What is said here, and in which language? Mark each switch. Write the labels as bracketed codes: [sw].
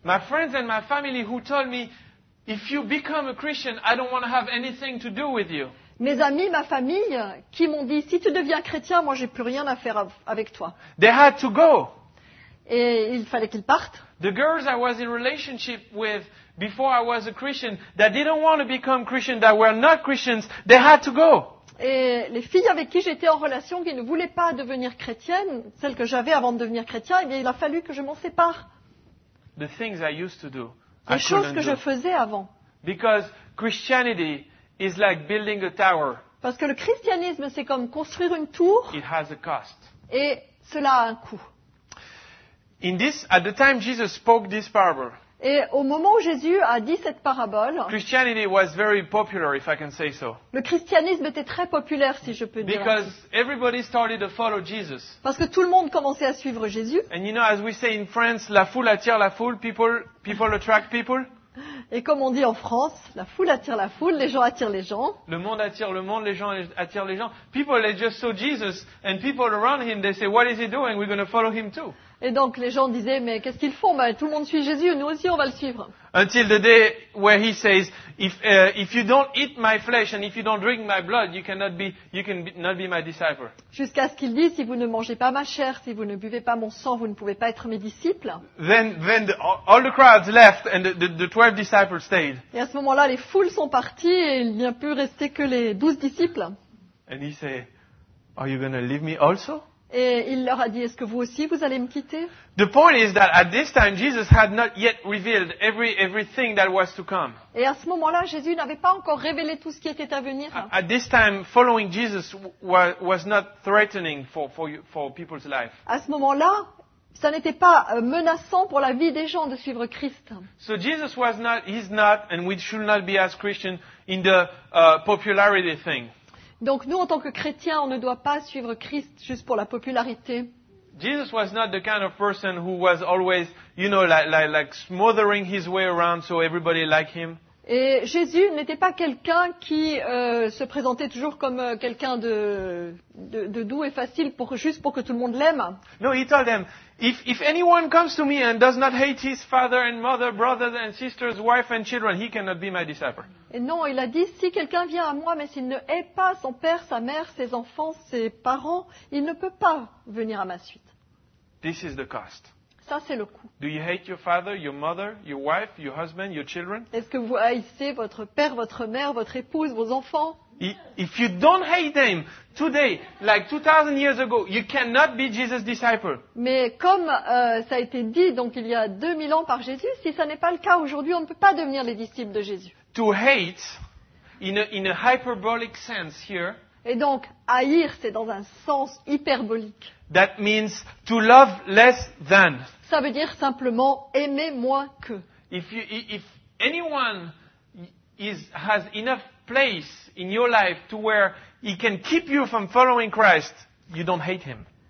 [en] My friends and my family who told me, if you become a Christian, I don't want to have anything to do with you. [fr] Mes amis, ma famille, qui m'ont dit, si tu deviens chrétien, moi j'ai plus rien à faire avec toi. [en] They had to go. [fr] Et il fallait qu'ils partent. [en] The girls I was in relationship with before I was a Christian, that didn't want to become Christian, that were not Christians, they had to go. [fr] Et les filles avec qui j'étais en relation, qui ne voulaient pas devenir chrétiennes, celles que j'avais avant de devenir chrétien, eh bien, il a fallu que je m'en sépare. [en] The things I used to do, [fr] les choses que [en] do. [fr] Je faisais avant. [en] Because Christianity is like building a tower. [fr] Parce que le christianisme, c'est comme construire une tour. [en] It has a cost. [fr] Et cela a un coût. [en] In this, at the time Jesus spoke this parable, [fr] et au moment où Jésus a dit cette parabole, [en] Christianity was very popular, if I can say so. [fr] Le christianisme était très populaire, si je peux dire. [en] Because everybody started to follow Jesus. [fr] Parce que tout le monde commençait à suivre Jésus. [en] And you know, as we say in France, [fr] la foule attire la foule, [en] people attract people. [fr] Et comme on dit en France, la foule attire la foule, les gens attirent les gens. Le monde attire le monde, les gens attirent les gens. [en] People, they just saw Jesus, and people around him, they say, what is he doing? We're going to follow him too. [fr] Et donc les gens disaient, mais qu'est-ce qu'ils font? Ben, tout le monde suit Jésus, nous aussi on va le suivre. [en] Until the day where he says, if you don't eat my flesh and if you don't drink my blood, you cannot be my disciple. [fr] Jusqu'à ce qu'il dise, si vous ne mangez pas ma chair, si vous ne buvez pas mon sang, vous ne pouvez pas être mes disciples. [en] Then all the crowds left and the 12 disciples stayed. [fr] Et à ce moment-là, les foules sont parties et il n'y a plus resté que les 12 disciples. [en] And he said, are you going to leave me also? [fr] Et il leur a dit, est-ce que vous aussi vous allez me quitter? [en] The point is that at this time Jesus had not yet revealed everything that was to come. [fr] Et à ce moment-là, Jésus n'avait pas encore révélé tout ce qui était à venir. [en] At this time following Jesus was not threatening for people's life. [fr] À ce moment-là, ça n'était pas menaçant pour la vie des gens de suivre Christ. [en] So Jesus was not, he's not, and we should not be as Christians in the popularity thing. [fr] Donc nous, en tant que chrétiens, on ne doit pas suivre Christ juste pour la popularité. [en] Jesus was not the kind of person who was always, you know, like smothering his way around so everybody liked him. [fr] Et Jésus n'était pas quelqu'un qui se présentait toujours comme quelqu'un de doux et facile pour juste pour que tout le monde l'aime. [en] No, he told them, if anyone comes to me and does not hate his father and mother, brothers and sisters, wife and children, he cannot be my disciple. [fr] Et non, il a dit, si quelqu'un vient à moi mais s'il ne hait pas son père, sa mère, ses enfants, ses parents, il ne peut pas venir à ma suite. [en] This is the cost. [fr] Ça, c'est le coup. [en] Do you hate your father, your mother, your wife, your husband, your children? [fr] Est-ce que vous haïssez votre père, votre mère, votre épouse, vos enfants? [en] If you don't hate them today, like 2000 years ago, you cannot be Jesus' disciple. [fr] Mais comme ça a été dit donc il y a 2000 ans par Jésus, si ça n'est pas le cas aujourd'hui, on ne peut pas devenir les disciples de Jésus. [en] To hate in a hyperbolic sense here. [fr] Et donc, haïr, c'est dans un sens hyperbolique. [en] That means to love less than. [fr] Ça veut dire simplement aimer moins que. [en] If anyone has enough place in your life to where he can keep you from following Christ, you don't hate him.